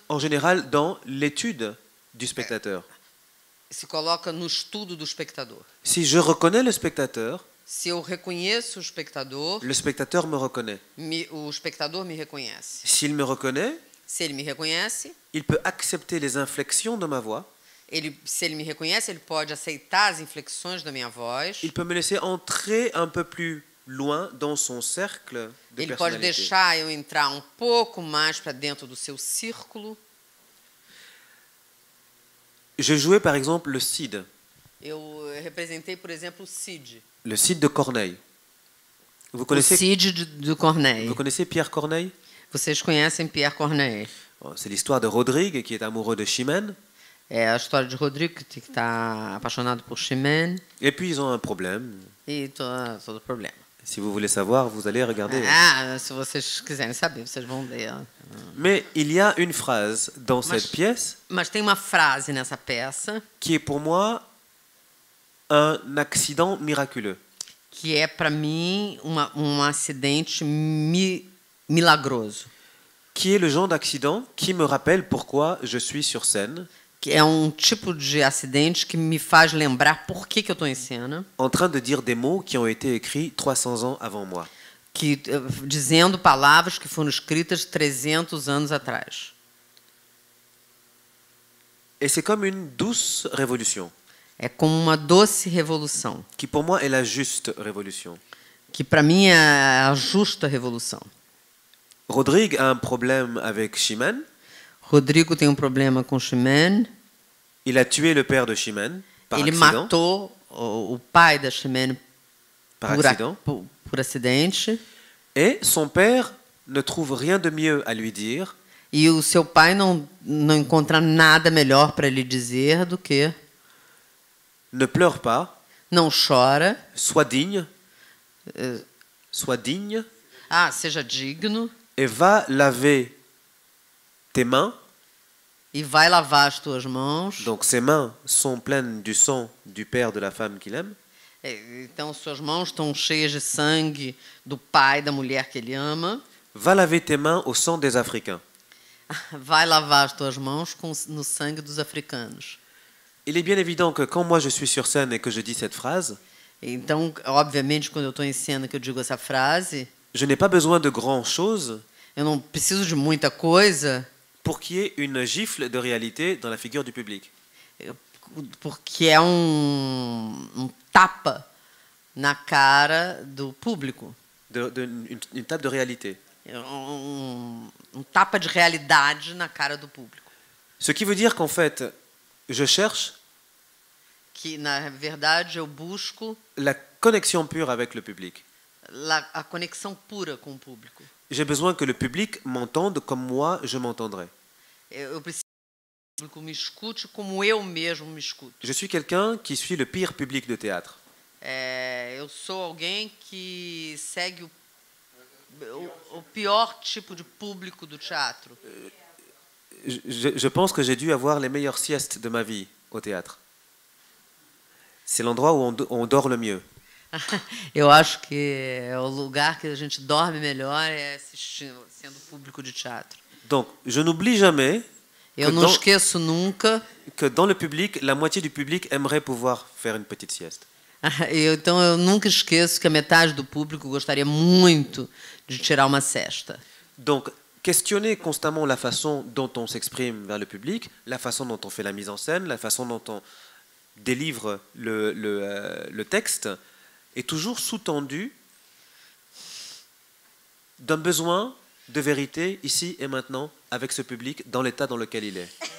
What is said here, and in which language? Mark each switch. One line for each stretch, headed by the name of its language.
French: En général, dans l'étude du spectateur.
Portuguese: Se coloca no estudo do espectador.
French: Si je reconnais le spectateur.
Portuguese: Se eu reconheço o espectador.
French: Le spectateur me reconnaît.
Portuguese: O espectador me reconhece.
French: S'il me reconnaît.
Portuguese: Se ele me reconhece.
French: Il peut accepter les inflexions de ma voix.
Portuguese: Ele, se ele me reconhece, ele pode aceitar as inflexões da minha voz.
French: Il peut me laisser entrer un peu plus loin dans son cercle de personnalité.
Portuguese: Ele pode deixar eu entrar um pouco mais para dentro do seu círculo.
French: Je jouais par exemple le Cid.
Portuguese: Eu representei, por exemplo, o Cid.
French: Le Cid de Corneille. Vous connaissez? Cid de Corneille. Vous connaissez Pierre Corneille?
Portuguese: Vocês conhecem Pierre Corneille?
French: Bon, c'est l'histoire de Rodrigue qui est amoureux de Chimène.
Portuguese: É a história de Rodrigo que está apaixonado por Chimène.
French: Et puis ils ont un problème. Et tout le problème. Si vous voulez savoir, vous allez regarder.
Portuguese: Ah, se vocês quiserem saber, vocês vão ler.
French: Mais il y a une phrase dans cette pièce.
Portuguese: Mas tem uma frase nessa peça.
French: Qui est pour moi un accident miraculeux.
Portuguese: Que é para mim um acidente milagroso.
French: Qui est le genre d'accident qui me rappelle pourquoi je suis sur scène.
Portuguese: Que é um tipo de acidente que me faz lembrar por que eu estou em cena.
French: En train de dire des mots qui ont été écrits 300 ans avant moi.
Portuguese: Que, dizendo palavras que foram escritas 300 anos atrás.
French: Et c'est comme une douce révolution.
Portuguese: É como uma doce revolução.
French: Qui pour moi est la juste révolution.
Portuguese: Que para mim é a justa revolução.
French: Rodrigue a un problème avec Chimène.
Portuguese: Rodrigo tem um problema com Chimène.
French: Il a tué le père de Chimène, par
Portuguese: ele
French: accident.
Portuguese: Matou o pai da Chimène
French: par accident.
Portuguese: Por acidente.
French: Et son père ne trouve rien de mieux à lui dire.
Portuguese: E o seu pai não encontra nada melhor para lhe dizer do que
French: ne pleure pas.
Portuguese: Não chora.
French: Sois digne. Sois digne.
Portuguese: Ah, seja digno.
French: Et va laver tes mains.
Portuguese: E vai lavar as tuas mãos.
French: Donc ses mains sont pleines du sang du père de la femme qu'il aime.
Portuguese: Então suas mãos estão cheias de sangue do pai da mulher que ele ama.
French: Va laver tes mains au sang des africains.
Portuguese: Vai lavar as tuas mãos no sangue dos africanos.
French: Il est bien évident que quand moi je suis sur scène et que je dis cette phrase.
Portuguese: Então obviamente quando eu estou em cena que eu digo essa frase.
French: Je n'ai pas besoin de grand chose.
Portuguese: Eu não preciso de muita coisa.
French: Pour qu'il y ait une gifle de réalité dans la figure du public.
Portuguese: Porque é um tapa na cara do público.
French: Une tape de réalité.
Portuguese: Um tapa de realidade na cara do público.
French: Ce qui veut dire qu'en fait, je cherche.
Portuguese: Que na verdade eu busco.
French: La connexion pure avec le public.
Portuguese: A conexão pura com o público.
French: J'ai besoin que le public m'entende comme moi je m'entendrai.
Portuguese: Eu preciso que o público me escute como eu mesmo me escuto.
French: Je suis quelqu'un qui suit le pire public de théâtre.
Portuguese: Eu sou alguém que segue o pior tipo de público do teatro.
French: Je pense que j'ai dû avoir les meilleures siestes de ma vie au théâtre. C'est l'endroit où on dort le mieux.
Portuguese: Eu acho que o lugar que a gente dorme melhor é assistindo, sendo público de teatro.
French: Donc, je n'oublie jamais.
Portuguese: Eu não esqueço nunca
French: que dans le public, la moitié du public aimerait pouvoir faire une petite sieste.
Portuguese: Então eu nunca esqueço que a metade do público gostaria muito de tirar uma sesta.
French: Donc, questionner constamment la façon dont on s'exprime vers le public, la façon dont on fait la mise en scène, la façon dont on délivre le texte est toujours sous-tendu d'un besoin de vérité ici et maintenant avec ce public dans l'état dans lequel il est.